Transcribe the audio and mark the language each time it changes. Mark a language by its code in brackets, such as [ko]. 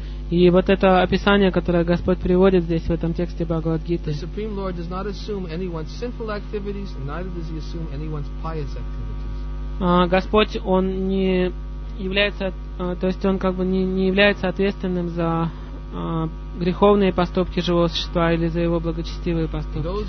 [ru] И вот это описание, которое Господь приводит здесь в этом тексте Бхагавад-гиты. [en] The Supreme Lord does not assume anyone's sinful activities, and neither does he assume anyone's pious activities. [ru] Господь, Он не является, то есть Он как бы не является ответственным за греховные поступки живого существа или за его благочестивые поступки.